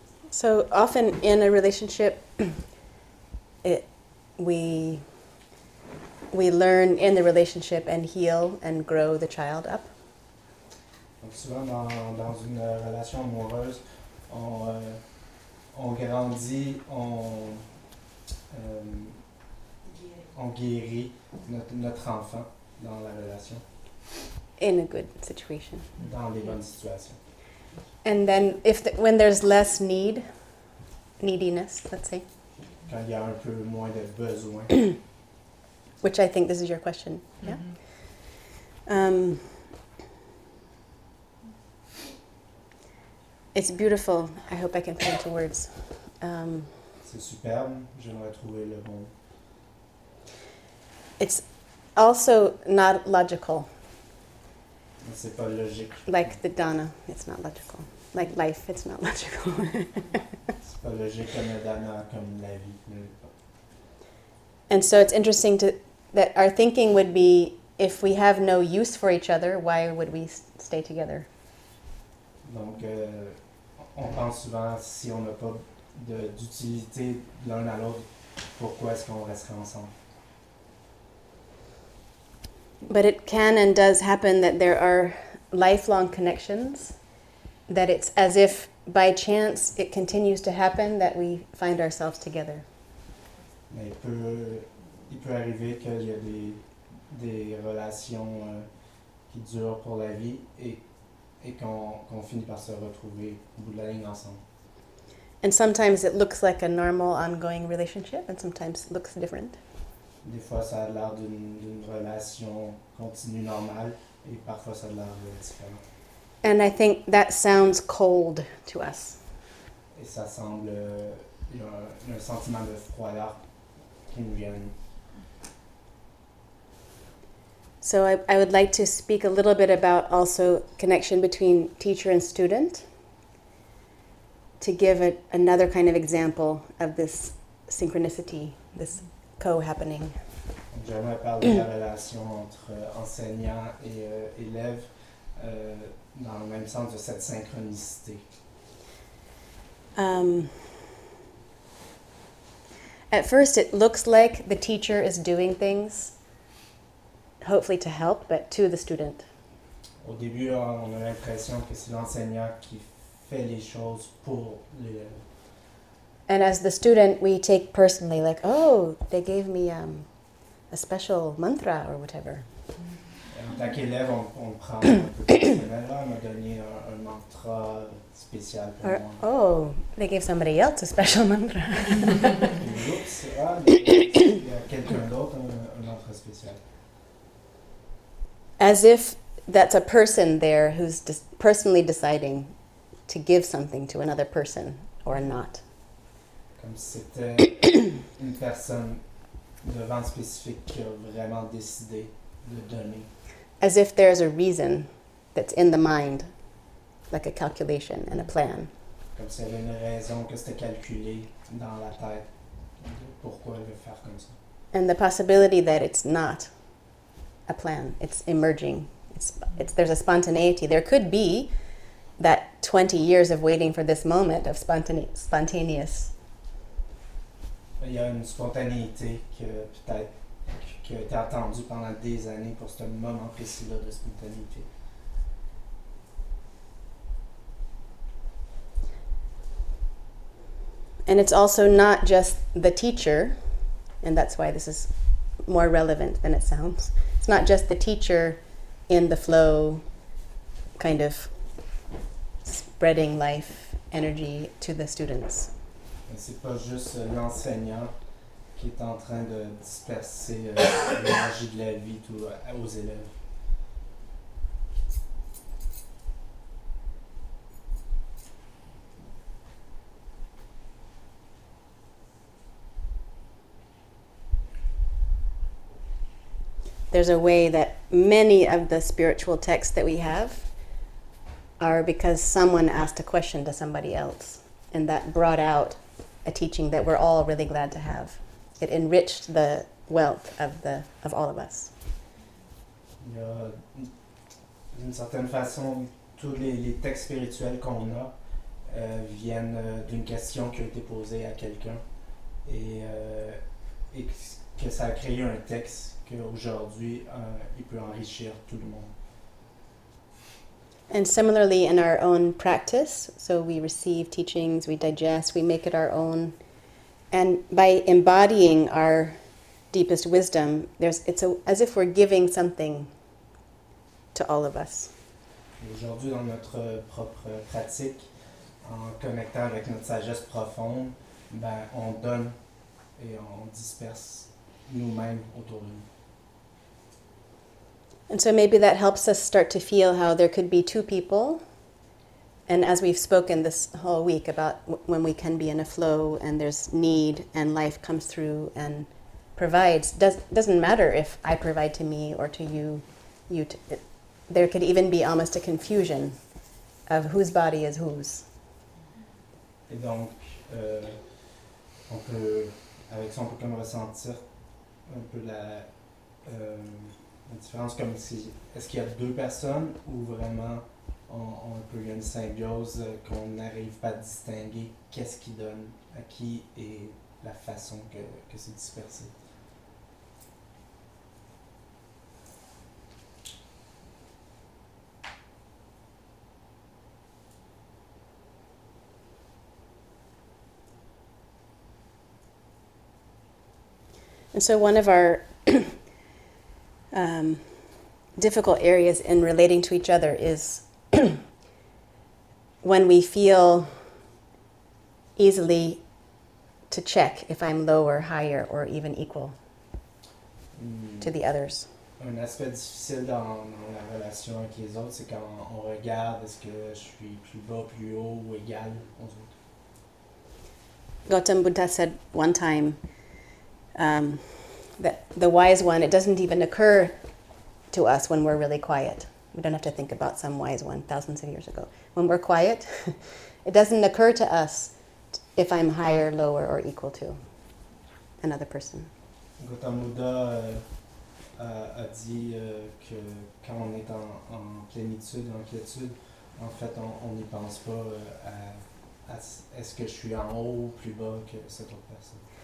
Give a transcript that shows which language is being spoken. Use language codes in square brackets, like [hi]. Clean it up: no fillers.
[en] So often in a relationship, we learn in the relationship and heal and grow the child up. [fr] Donc souvent dans une relation amoureuse, on grandit, on guérit notre enfant dans la relation. [en] In a good situation. [fr] Dans les bonnes situations. [en] And then when there's less neediness, let's say. [fr] Quand il y a un peu moins de besoin. [en] Which I think this is your question, yeah? Mm-hmm. It's beautiful. I hope I can put into words. [fr] C'est superbe. J'aimerais trouver le bon. [en] It's also not logical. [fr] C'est pas logique. [en] Like the Dana, it's not logical. Like life, it's not logical. [fr] C'est pas logique comme la Dana, comme la vie. [en] And so it's interesting that our thinking would be, if we have no use for each other, why would we stay together? [fr] Donc, on pense souvent, si on n'a pas d'utilité l'un à l'autre, pourquoi est-ce qu'on resterait ensemble? [en] But it can and does happen that there are lifelong connections, that it's as if by chance it continues to happen that we find ourselves together. [fr] Mais il peut arriver qu'il y a des relations qui durent pour la vie et qu'on finit par se retrouver au bout de la ligne ensemble. [en] And sometimes it looks like a normal ongoing relationship, and sometimes it looks different. [fr] Des fois, ça a l'air d'une relation continue normale, et parfois, ça a l'air différent. [en] And I think that sounds cold to us. [fr] Et ça semble un sentiment de froideur qui nous vient. [en] So I would like to speak a little bit about also connection between teacher and student, to give another kind of example of this synchronicity, this co-happening. [fr] J'aimerais parler de la relation entre enseignant et élève dans le même sens de cette synchronicité. [en] at first it looks like the teacher is doing things, hopefully to help, but to the student. [fr] Au début, on a l'impression que c'est l'enseignant qui fait les choses pour l'élève. [en] And as the student, we take personally, like, oh, they gave me a special mantra or whatever. [fr] En tant qu'élève, on prend un peu de mal, on m'a donné un mantra spécial pour moi. [en] Oh, they gave somebody else a special mantra. [fr] Oups, il y a quelqu'un d'autre un mantra spécial. [en] As if that's a person there who's personally deciding to give something to another person or not. [fr] Comme c'était une personne devant spécifique qui a vraiment décidé de donner. [en] As if there's a reason that's in the mind, like a calculation and a plan. [fr] Comme s'il y avait une raison que c'était calculé dans la tête, pourquoi elle veut faire comme ça. [en] And the possibility that it's not a plan, it's emerging. There's a spontaneity. There could be that 20 years of waiting for this moment of spontaneous. [fr] Il y a une spontanéité que peut-être qui a été attendue pendant des années pour ce moment précis-là de spontanéité. [en] And it's also not just the teacher, and that's why this is more relevant than it sounds. It's not just the teacher in the flow, kind of spreading life energy to the students. [fr] C'est pas juste l'enseignant qui est en train de disperser l'énergie de la vie aux élèves. [en] There's a way that many of the spiritual texts that we have are because someone asked a question to somebody else, and that brought out a teaching that we're all really glad to have. It enriched the wealth of all of us. [fr] Il y a, d'une certaine façon, tous les textes spirituels qu'on a viennent d'une question qui a été posée à quelqu'un, et que ça a créé un texte. Aujourd'hui, il peut enrichir tout le monde. [en] And similarly in our own practice, so we receive teachings, we digest, we make it our own. And by embodying our deepest wisdom, as if we're giving something to all of us. [fr] Aujourd'hui, dans notre propre pratique, en connectant avec notre sagesse profonde, ben, on donne et on disperse nous-mêmes autour de nous. [en] And so maybe that helps us start to feel how there could be two people. And as we've spoken this whole week about when we can be in a flow and there's need and life comes through and provides, doesn't matter if I provide to me or to you. There could even be almost a confusion of whose body is whose. [fr] Et donc, on peut, avec ça, on peut comme ressentir un peu la... La différence, comme si, est-ce qu'il y a deux personnes ou vraiment on peut y avoir une symbiose qu'on n'arrive pas à distinguer qu'est-ce qui donne à qui et la façon que c'est dispersé. [en] And so one of our difficult areas in relating to each other is when we feel easily to check if I'm lower, higher, or even equal to the others. [fr] Un aspect difficile dans la relation avec les autres, c'est quand on regarde est-ce que je suis plus bas, plus haut ou égal aux autres. [en] Gautam Buddha said one time that the wise one, it doesn't even occur to us when we're really quiet. We don't have to think about some wise one thousands of years ago. When we're quiet, it doesn't occur to us if I'm higher, lower, or equal to another person. [fr] Gautam Buddha a dit que quand on est en plénitude, en quiétude, en fait, on n'y pense pas à est-ce que je suis en haut ou plus bas que cette autre personne.